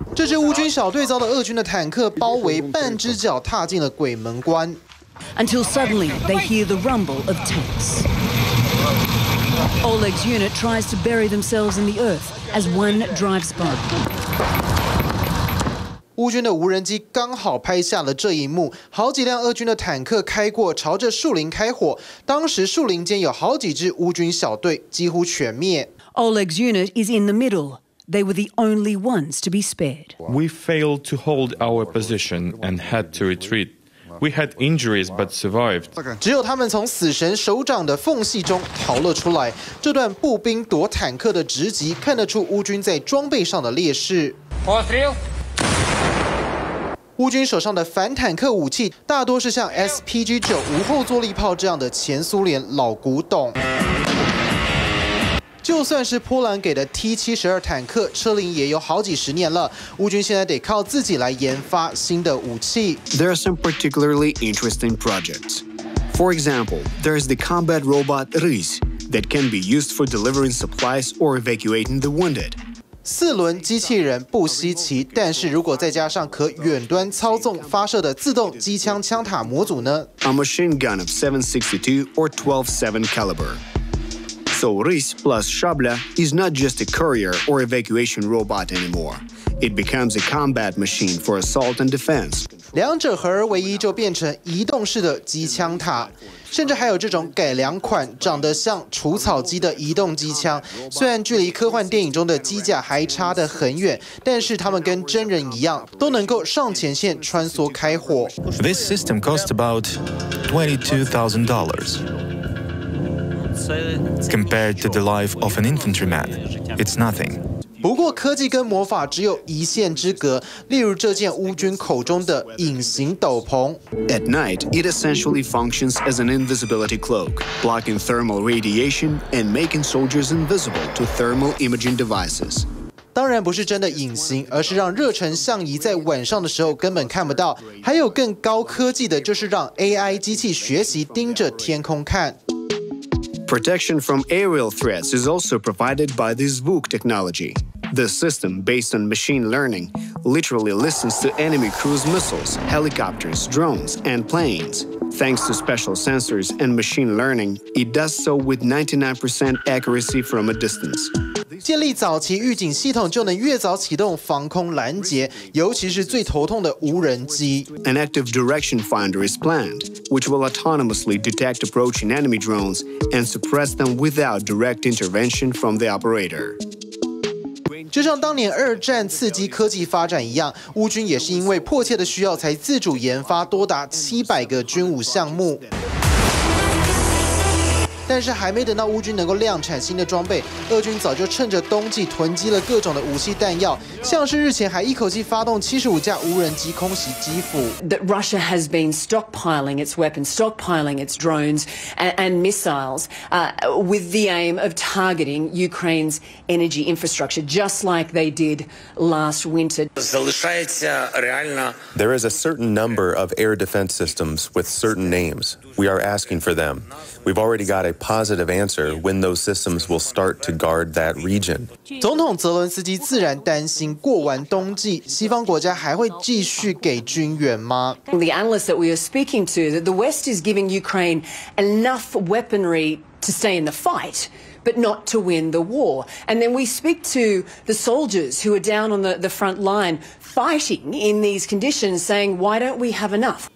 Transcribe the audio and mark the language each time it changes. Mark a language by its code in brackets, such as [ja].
[zh] 这支乌军小队遭到俄军的坦克包围，半只脚踏进了鬼门关。 [en] Until suddenly they hear the rumble of tanks. Oleg's unit tries to bury themselves in the earth as one drives by. [zh] 乌军的无人机刚好拍下了这一幕，好几辆俄军的坦克开过，朝着树林开火。当时树林间有好几支乌军小队，几乎全灭。 [en] Oleg's unit is in the middle. They were the only ones to be spared. We failed to hold our position and had to retreat. We had injuries but survived. [zh] 只有他们从死神手掌的缝隙中逃了出来。这段步兵躲坦克的直击，看得出乌军在装备上的劣势。乌军手上的反坦克武器大多是像 SPG-9 无后坐力炮这样的前苏联老古董，就算是波兰给的 T-72 坦克，车龄也有好几十年了。乌军现在得靠自己来研发新的武器。 [en] There are some particularly interesting projects. For example, there is the combat robot Rys that can be used for delivering supplies or evacuating the wounded. [zh] 四轮机器人不稀奇，但是如果再加上可远端操纵发射的自动机枪枪塔模组呢 [en] ？A machine gun of 762 or 12.7 caliber. So Rys plus Shabla is not just a courier or evacuation robot anymore. It becomes a combat machine for assault and defense. [zh] 两者合而为一，就变成移动式的机枪塔。甚至还有这种改良款长得像除草机的移动机枪，虽然距离科幻电影中的机甲还差得很远，但是他们跟真人一样都能够上前线穿梭开火。 [en] This system cost about $22,000 compared to the life of an infantryman. It's nothing. [zh] 不过科技跟魔法只有一线之隔，例如这件乌军口中的隐形斗篷。 [en] At night, it essentially functions as an invisibility cloak, blocking thermal radiation and making soldiers invisible to thermal imaging devices. [zh] 当然不是真的隐形，而是让热成像仪在晚上的时候根本看不到。还有更高科技的，就是让 AI 机器学习盯着天空看。 [en] Protection from aerial threats is also provided by this VOOC technology. The system, based on machine learning, literally listens to enemy cruise missiles, helicopters, drones, and planes. Thanks to special sensors and machine learning, it does so with 99% accuracy from a distance. [zh] 建立早期预警系统就能越早启动防空拦截，尤其是最头痛的无人机。 [en] An active direction finder is planned, which will autonomously detect approaching enemy drones and suppress them without direct intervention from the operator. [zh] 就像当年二战刺激科技发展一样，乌军也是因为迫切的需要才自主研发多达700个军武项目。但是还没等到乌军能够量产新的装备，俄军早就趁着冬季囤积了各种的武器弹药，像是日前还一口气发动75架无人机空袭基辅。 [en] That Russia has been stockpiling its weapons, stockpiling its drones and missiles, with the aim of targeting Ukraine's energy infrastructure, just like they did last winter. There is a certain number of air defense systems with certain names. We are asking for them. We've already got a positive answer when those systems will start to guard that region. [zh] 总统泽伦斯基自然担心，过完冬季，西方国家还会继续给军援吗？ [en] The analysts that we are speaking to, that the West is giving Ukraine enough weaponry to stay in the fight, but not to win the war. And then we speak to the soldiers who are down on the front line fighting in these conditions, saying, "Why don't we have enough?"